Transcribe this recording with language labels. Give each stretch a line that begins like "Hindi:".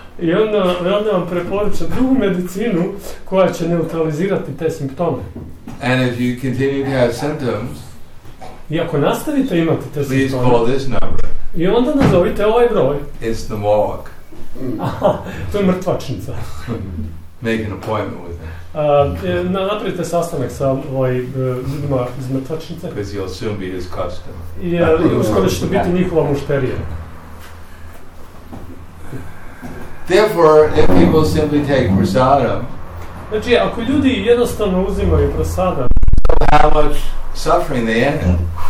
Croatian: I onda vam preporuča drugu medicinu koja će neutralizirati te simptome.
English: And if you continue to have symptoms,
Croatian: i ako nastavite imati te
English: please
Croatian: simptome,
English: call this number.
Croatian: I onda nazovite ovaj broj.
English: It's the morgue.
Croatian: To je mrtvačnica.
English: make an appointment with them.
Croatian: Napravite sastanak sa ljudima iz mrtvačnice.
English: Because you'll soon be his customer.
Croatian: Jer uskoro ćete biti njihova mušterija.
English: Therefore, if people simply take prasadam,
Croatian: znači, ako ljudi jednostavno uzimaju prasadam,
English: how much suffering they end up.